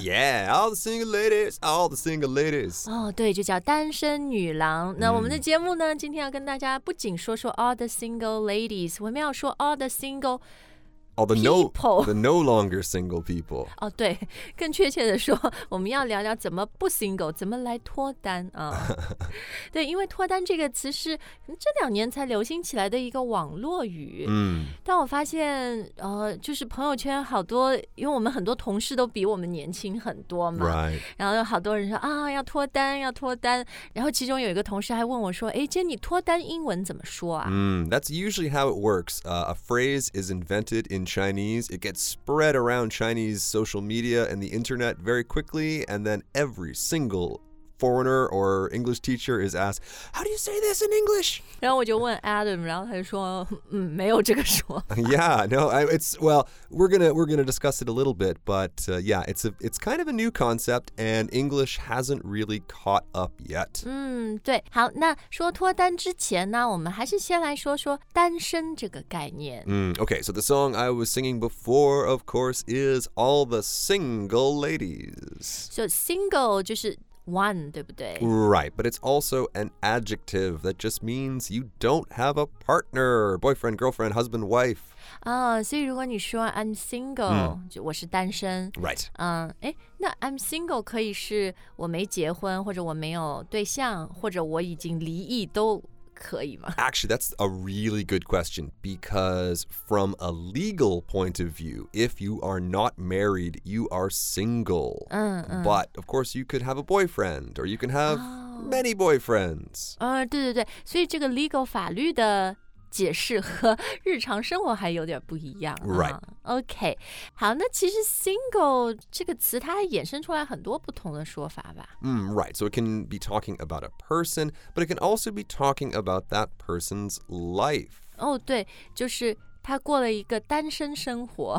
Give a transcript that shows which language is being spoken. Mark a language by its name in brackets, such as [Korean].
[English] ？Yeah, all the single ladies, all the single ladies. [Chinese] 哦、oh, ，对，就叫单身女郎。那我们的节目呢，今天要跟大家不仅说 all the single ladies，我们要说 all the single。 [English] All the no longer single people. [Chinese] 哦、oh, ，对，更确切的说，我们要聊聊怎么不 single， 怎么来脱单啊？对，因为脱单这个词是这两年才流行起来的一个网络语。嗯、mm. ，但我发现，就是朋友圈好多，因为我们很多同事都比我们年轻很多嘛。 [English] Right. [Chinese] 然后有好多人说啊，要脱单，要脱单。然后其中有一个同事还问我说，哎，姐，你脱单英文怎么说啊？ [English] 嗯、that's usually how it works. A phrase is invented in Chinese, it gets spread around Chinese social media and the internet very quickly, and then every single foreigner or English teacher is asked, how do you say this in English? [Chinese] 然后我就问 Adam, 然后他就说、嗯、没有这个说法。 [English] Yeah, no, it's, well, we're gonna discuss it a little bit, but、yeah, it's kind of a new concept, and English hasn't really caught up yet. [Chinese] 嗯，对，好，那说脱单之前呢，我们还是先来说说单身这个概念。 [English] 嗯、okay, so the song I was singing before, of course, is All the Single Ladies. So single 就是 One, 对不对? Right, but it's also an adjective that just means you don't have a partner, boyfriend, girlfriend, husband, wife. [Chinese] Oh, 所以如果你说 I'm single,、 mm. 就我是单身。 [English] Right. [Chinese] 那 I'm single 可以是我没结婚或者我没有对象或者我已经离异都可以吗? [English] Actually, that's a really good question because from a legal point of view, if you are not married, you are single. 嗯嗯。 But of course, you could have a boyfriend or you can have、oh. many boyfriends. [Chinese] 对对对，所以这个 legal 法律的解释和日常生活还有点不一样、啊、 [English] Right. [Chinese] OK, 好，那其实 single 这个词它衍生出来很多不同的说法吧、 [English] mm, Right, so it can be talking about a person, but it can also be talking about that person's life. [Chinese] 哦、oh, 对，就是他过了一个单身生活。